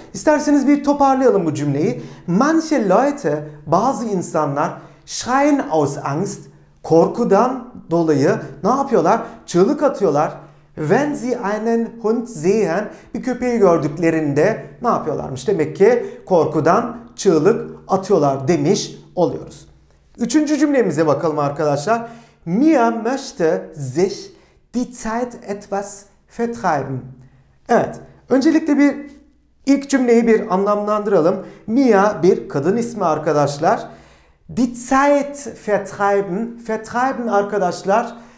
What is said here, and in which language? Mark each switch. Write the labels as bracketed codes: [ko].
[tr] İsterseniz bir toparlayalım bu cümleyi. [de] Manche Leute, [tr] bazı insanlar [de] schreien aus Angst, [tr] korkudan dolayı ne yapıyorlar? Çığlık atıyorlar. [de] Wenn sie einen Hund sehen, [tr] bir köpeği gördüklerinde ne yapıyorlarmış? Demek ki korkudan çığlık atıyorlar demiş oluyoruz. Üçüncü cümlemize bakalım arkadaşlar. [de] Mia möchte sich die Zeit etwas vertreiben. [tr] Evet, öncelikle bir ilk cümleyi bir anlamlandıralım. Mia bir kadın ismi arkadaşlar. [de] Die Zeit vertreiben, vertreiben [tr] arkadaşlar...